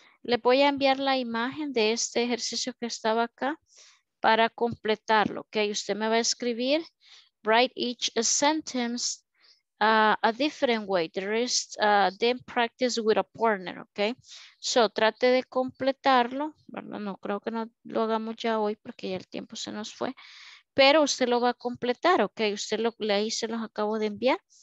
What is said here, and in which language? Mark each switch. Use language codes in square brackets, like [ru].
[es] Le voy a enviar la imagen de este ejercicio que estaba acá para completarlo, ok. Usted me va a escribir [en] write each sentence a different way. There is then practice with a partner, okay? [es] So, trate de completarlo, ¿verdad? No creo que no lo hagamos ya hoy porque ya el tiempo se nos fue, pero usted lo va a completar, okay? Usted lo leí, se los acabo de enviar.